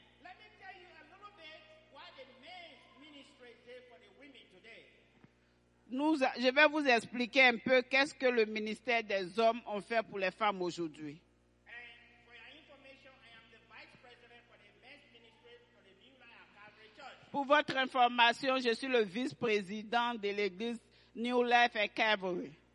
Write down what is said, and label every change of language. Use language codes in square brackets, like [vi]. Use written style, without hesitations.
[en] Let me tell you a little bit why the men's ministry is there for the women today. [fr] Je vais vous expliquer un peu qu'est-ce que le ministère des hommes ont fait pour les femmes aujourd'hui. [en] And for your information, I am the vice president for the men's ministry for the New Life Calvary Church. [fr] Pour votre information, je suis le vice-président de l'Église New Life at Calvary.